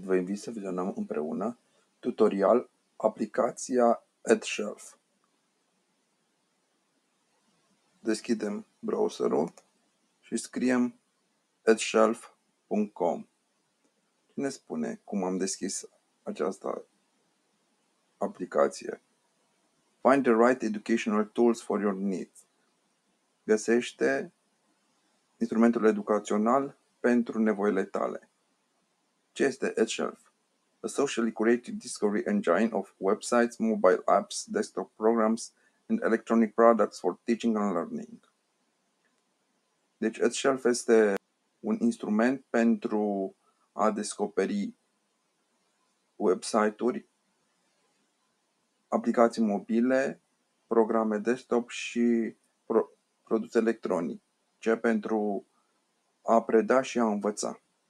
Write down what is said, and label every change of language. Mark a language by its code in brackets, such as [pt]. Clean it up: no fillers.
[ro] Vă invit să vizionăm împreună tutorial aplicația AdShelf. Deschidem browserul și scriem adshelf.com. Ne spune cum am deschis această aplicație. [en] Find the right educational tools for your needs. [ro] Găsește instrumentul educațional pentru nevoile tale. Ce este AdShelf? [en] A socially curated discovery engine of websites, mobile apps, desktop programs and electronic products for teaching and learning. [ro] Deci AdShelf este un instrument pentru a descoperi website-uri, aplicații mobile, programe desktop și produse electronice pentru a preda și a învăța.